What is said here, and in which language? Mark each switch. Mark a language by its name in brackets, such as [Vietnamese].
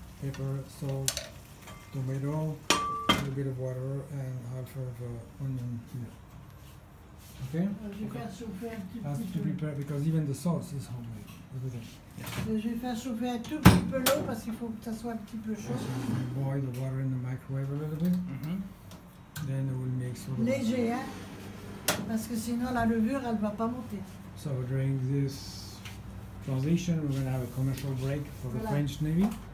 [English] pepper, salt, tomato, a little bit of water and half of onion here. Ok? [French] Je vais faire chauffer un petit peu. [English] Because even the sauce is homemade. [French] Je vais faire chauffer un tout petit peu l'eau parce qu'il faut que ça soit un petit peu chaud. [English] So we boil the water in the microwave a little bit. Then we will make sort of [French] léger, hein? Parce que sinon la levure elle va pas monter. [English] So during this transition, we're going to have a commercial break for the French Navy.